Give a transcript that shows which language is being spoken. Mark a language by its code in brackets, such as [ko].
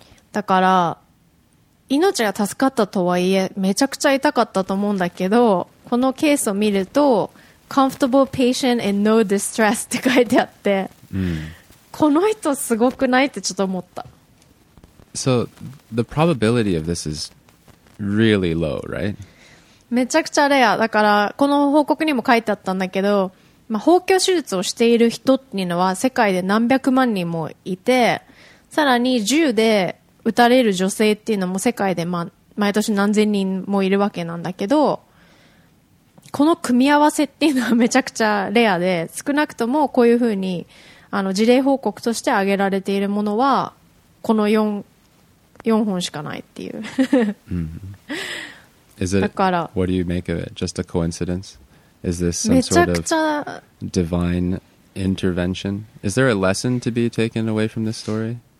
[ja] だから命が助かったとはいえ、めちゃくちゃ痛かったと思うんだけど、このケースを見ると [en] Comfortable patient and no distress [ja] って書いてあって、うん、この人すごくないってちょっと思った。 [en] So the probability of this is really low, right? [ja] めちゃくちゃレア。だからこの報告にも書いてあったんだけど、包協手術をしている人っていうのは世界で何百万人もいて、さらに銃で撃たれる女性っていうのも世界で、毎年何千人もいるわけなんだけど、この組み合わせっていうのはめちゃくちゃレアで、少なくともこういうふうに事例報告として挙げられているものはこの 4本しかないっていう、 mm-hmm. [en] Is it, だから What do you make of it? Just a coincidence? Is this some sort of divine intervention? Is there a lesson to be taken away from this story?